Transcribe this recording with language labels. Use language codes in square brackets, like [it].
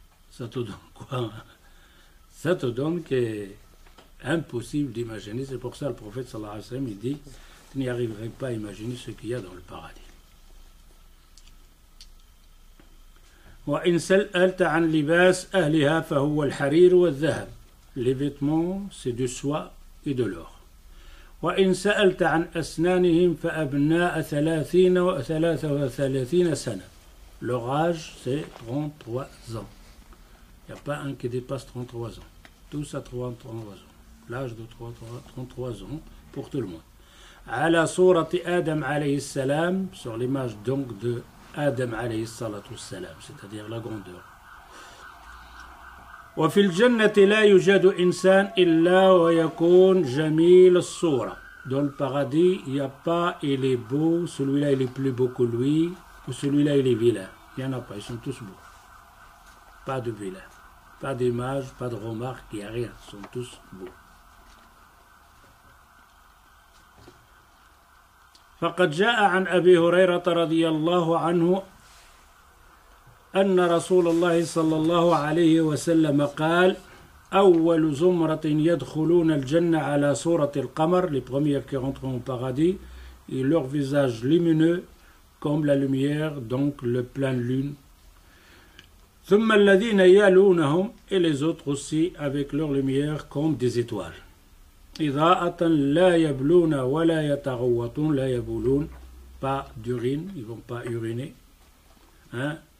[fr] Ça te donne quoi? Ça te donne que impossible d'imaginer. C'est pour ça que le prophète sallallahu alayhi wa sallam, il dit, tu n'y arriverais pas à imaginer ce qu'il y a dans le paradis. [ar] وإن سألت عن لباس أهلها فهو الحرير والذهب. [fr] Les vêtements, c'est du soie et de l'or. [ar] وإن سألت عن أسنانهم فأبناء ثلاثين وثلاثة وثلاثين سنة. [fr] Leur âge, c'est 33 ans. Il n'y a pas un qui dépasse 33 ans. Tous à 33 ans. L'âge de 33 ans pour tout le monde. [ar] على صورة آدم عليه السلام, [fr] sur l'image donc de Adam alayhi salatu salam, c'est-à-dire la grandeur. [ar] Wa fil jannati la yujadu insan illa wa yakun jamil as-sura. [fr] Dans le paradis, il n'y a pas, il est beau, celui-là il est plus beau que lui, ou celui-là il est vilain. Il n'y en a pas, ils sont tous beaux. Pas de vilain. Pas d'image, pas de remarque, il n'y a rien. Ils sont tous beaux. [ar] فقد جاء عن أبي هريرة رضي الله عنه أن رسول الله صلى الله عليه وسلم قال أول زمرة يدخلون الجنة على صورة القمر. [fr] Les premières qui rentrent au paradis, et leur visage lumineux comme la lumière, donc le plein lune. [ar] ثم الذين يلونهم, [fr] et les autres aussi avec leur lumière comme des étoiles. [ar] إِذَاءَةً لَا يَبْلُونَ وَلَا يَتَغَوَّطُونَ لَا يَبْلُونَ, [fr] pas d'urine, ils ne vont pas uriner, hein?